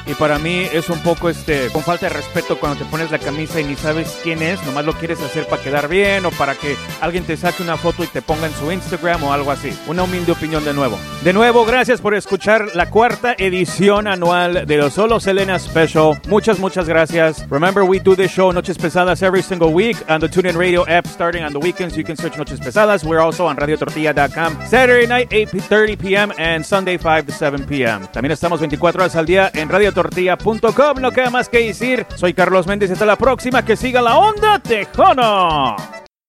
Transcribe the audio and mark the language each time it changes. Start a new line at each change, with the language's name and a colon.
Spanish: Y para mí es un poco con falta de respeto cuando te pones la camisa y ni sabes quién es, nomás lo quieres hacer para quedar bien o para que alguien te saque una foto y te ponga en su Instagram o algo así. Una humilde opinión de nuevo. De nuevo, gracias por escuchar la cuarta edición anual de los Solo Selena Special. Muchas, muchas gracias.
English: Remember, we do this show Noches Pesadas every single week on the TuneIn Radio app starting on the weekends. You can search Noches Pesadas. We're also on RadioTortilla.com Saturday night, 8:30 p.m. and Sunday, 5 to 7 p.m.
Spanish: También estamos 24 horas al día en RadioTortilla.com. No queda más que decir. Soy Carlos Méndez. Hasta la próxima. Que siga la onda tejona.